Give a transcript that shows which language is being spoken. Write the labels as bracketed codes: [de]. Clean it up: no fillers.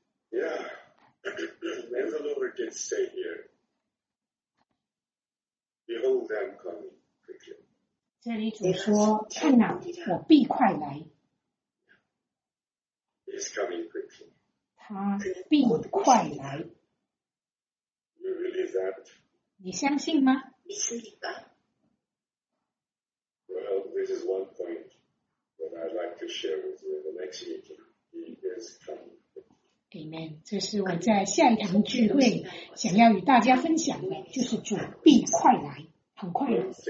[en] May the Lord did say here, Behold, I'm coming quickly. [zh] 这里主说，看哪，我必快来。 [en] He's coming quickly. [zh] 他必快来。 [en] You believe that? [zh] 你相信吗？你信吗？ [en] Well, this is one point that I'd like to share with you in the next meeting. He is coming. Amen. [zh] 这是我在下一堂聚会想要与大家分享的，就是主必快来，很快来。